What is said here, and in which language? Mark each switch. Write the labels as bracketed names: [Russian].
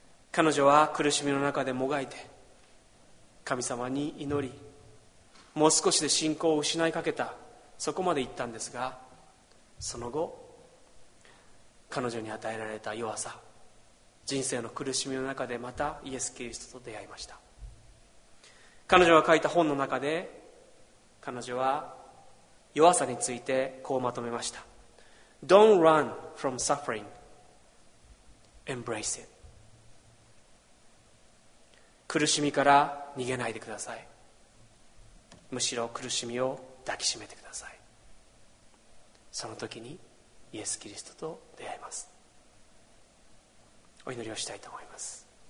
[Japanese] 彼女は苦しみの中でもがいて神様に祈り、もう少しで信仰を失いかけた、そこまで言ったんですが、その後彼女に与えられた弱さ、人生の苦しみの中でまたイエス・キリストと出会いました。彼女が書いた本の中で、彼女は弱さについてこうまとめました。 [English] Don't run from suffering, embrace it. [Japanese] 苦しみから逃げないでください。むしろ苦しみを抱きしめてください。その時にイエス・キリストと出会います。お祈りをしたいと思います。